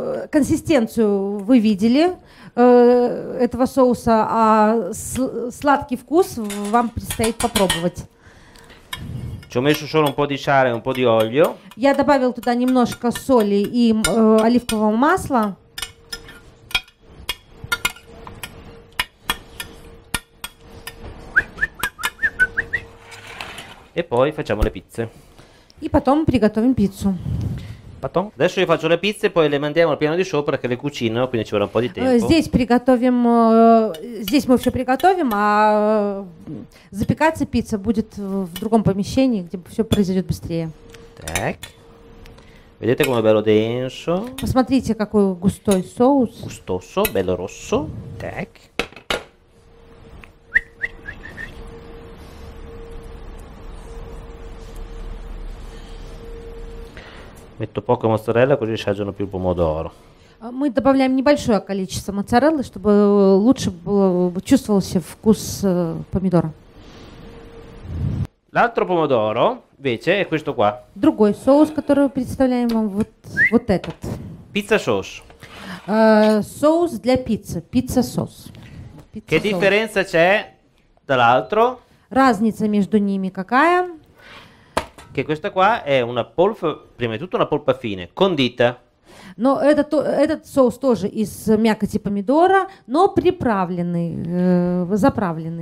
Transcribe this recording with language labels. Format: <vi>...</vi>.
<ru>Консистенцию вы видели этого соуса, а сладкий вкус вам предстоит попробовать.</ru> <it>Ci ho messo solo un po' di sale e un po' di olio.</it> <ru>Я добавил туда немножко соли и оливкового масла.</ru> <it>E poi facciamo le pizze.</it> <ru>И потом приготовим пиццу. Потом.</ru> <it>Adesso io faccio le pizze, poi le mandiamo al piano di sopra che le cucino, quindi ci vorrà un po' di tempo.</it> <ru>Здесь приготовим, здесь мы все приготовим, а запекаться пицца будет в другом помещении, где все произойдет быстрее. Так.</ru> <it>Vedete come bello denso.</it> <ru>Посмотрите, какой густой соус.</ru> <it>Густосо, bello rosso.</it> <ru>Так.</ru> <it>Metto poca mozzarella così assaggiano più il pomodoro.</it> <ru>Мы добавляем небольшое количество моцареллы, чтобы лучше было чувствовался вкус помидора.</ru> <it>L'altro pomodoro invece è questo qua.</it> <ru>Другой соус, который представляем вам, вот этот.</ru> <en>Pizza sauce.</en> <ru>Соус для пиццы,</ru> <en>pizza sauce.</en> <it>Che differenza c'è dall'altro?</it> <ru>Разница между ними какая?</ru> <it>Che questa qua è una polpa, prima di tutto una polpa fine, condita.</it> <ru>No, этот соус тоже из мякоти помидора, но приправленный, заправленный.</ru>